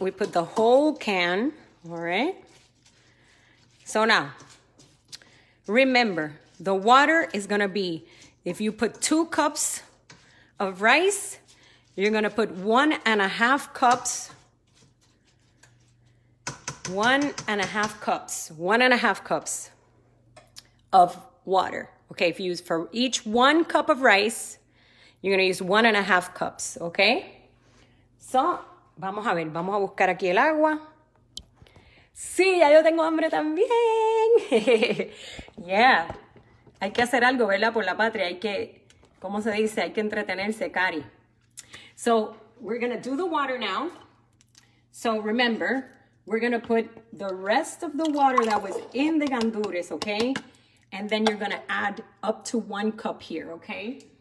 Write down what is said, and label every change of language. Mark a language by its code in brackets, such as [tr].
[en] We put the whole can, all right? So now, remember, the water is going to be, if you put 2 cups of rice, you're going to put 1.5 cups, 1.5 cups, 1.5 cups of water. Okay, if you use for each 1 cup of rice, you're going to use 1.5 cups, okay? [es] So, vamos a ver, vamos a buscar aquí el agua. Sí, ya yo tengo hambre también. Yeah, hay que hacer algo, ¿verdad? Por la patria, hay que, ¿cómo se dice? Hay que entretenerse, Cari. [en] So we're going to do the water now. So remember, we're going to put the rest of the water that was in the gandules, okay? And then you're going to add up to 1 cup here, okay?